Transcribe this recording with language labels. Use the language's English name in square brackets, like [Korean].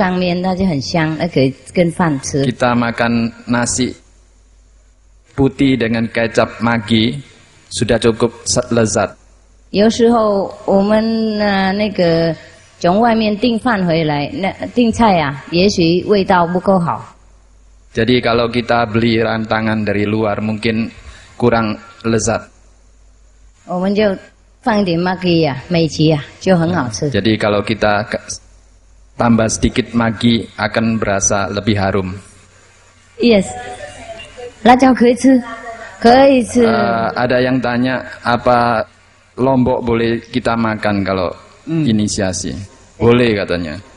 [Chinese] 我们可以放在白饭上面，那就很香，那可以跟饭吃。 [Indonesian] Kita makan nasi putih dengan kecap maggi sudah cukup lezat. [Chinese] 有时候我们那个从外面订饭回来，那订菜啊，也许味道不够好。 [Indonesian] Jadi kalau kita beli rantangan dari luar mungkin kurang lezat. [Chinese] 我们就 放点 maggi 呀，美琪呀，就很好吃。 [Indonesian] Jadi kalau kita tambah sedikit maggi akan berasa lebih harum. [Chinese] Yes, 辣椒可以吃, 可以吃。 [Indonesian] Ada yang tanya apa lombok boleh kita makan kalau inisiasi? Boleh katanya.